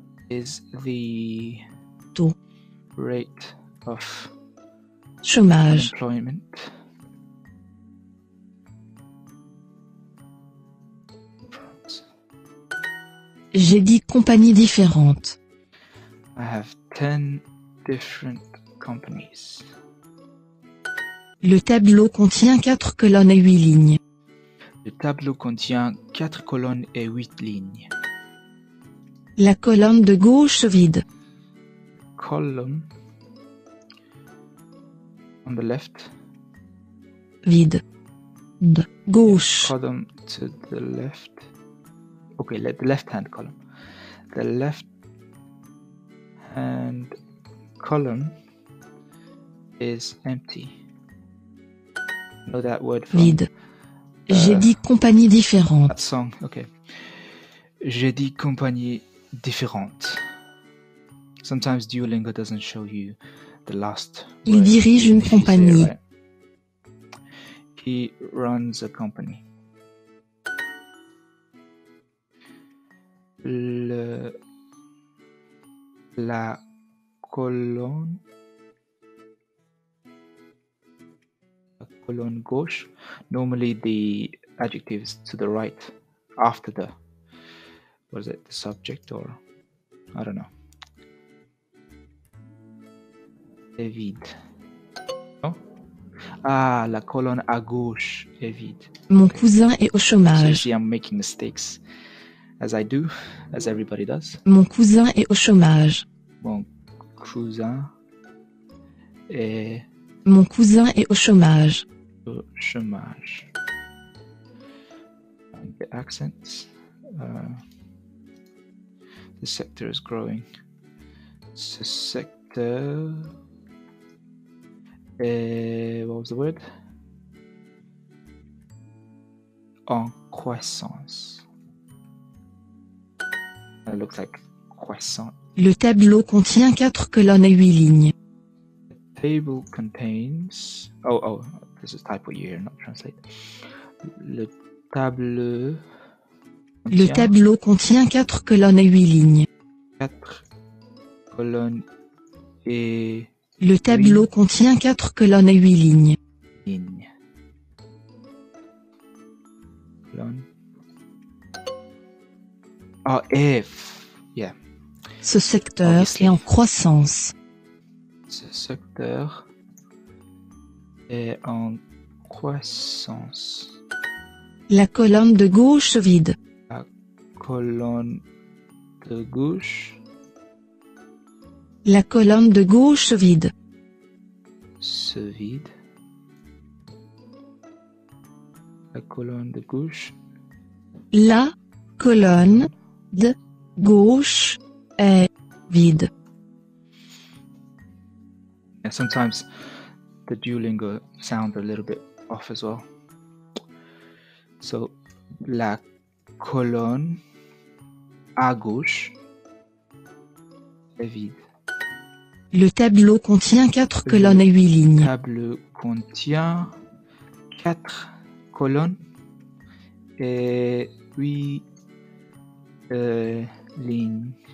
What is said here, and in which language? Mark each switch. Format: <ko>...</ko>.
<en>Is the</en> <fr>taux</fr> <en>rate of</en> <fr>chômage</fr> <en>employment?</en> <fr>J'ai 10 compagnies différentes.</fr> <en>I have 10 different companies.</en> <fr>Le tableau contient 4 colonnes et 8 lignes. Le tableau contient 4 colonnes et 8 lignes. La colonne de gauche vide.</fr> <en>Column on the left.</en> <fr>Vide. De gauche.</fr> <en>Yeah, column to the left. Okay, the left-hand column. The left-hand column is empty. Know that word from...</en> <fr>Vide. J'ai dit compagnie différente.</fr> <en>That song, okay.</en> <fr>J'ai dit compagnie différente.</fr> <en>Sometimes Duolingo doesn't show you the last word.</en> <fr>Il dirige une compagnie.</fr> <en>He runs a company.</en> <fr>La colonne. La colonne gauche.</fr> <en>Normally the adjective is to the right after the. What is it? The subject or. I don't know.</en> <fr>Est vide. No? Ah, la colonne à gauche est vide. Mon cousin est au chômage.</fr> <en>So you see, I'm making mistakes. As I do, as everybody does.</en> <fr>Mon cousin est au chômage. Mon cousin est... Mon cousin est au chômage. Au chômage.</fr> <en>The accents. The sector is growing.</en> <fr>Ce secteur...</fr> <en>what was the word?</en> <fr>En croissance.</fr> <en>It looks like croissant.</en> <fr>Le tableau contient 4 colonnes et 8 lignes.</fr> <en>The table contains... Oh, this is typo here, not translate.</en> <fr>Le tableau... Contient... Le tableau contient 4 colonnes et 8 lignes. 4 colonnes et... Le tableau contient 4 colonnes et 8 lignes. Lignes. Colonne. Ah, oh, F. Yeah. Ce secteur est en croissance. Ce secteur est en croissance. La colonne de gauche vide. La colonne de gauche. La colonne de gauche vide. Se vide. La colonne de gauche. La colonne de gauche est vide.</fr> <en>And sometimes the Duolingo sounds a little bit off as well.</en> <fr>So, la colonne à gauche est vide. Le tableau contient 4 colonnes et 8 lignes. Le tableau contient 4 colonnes et 8 lignes.</fr>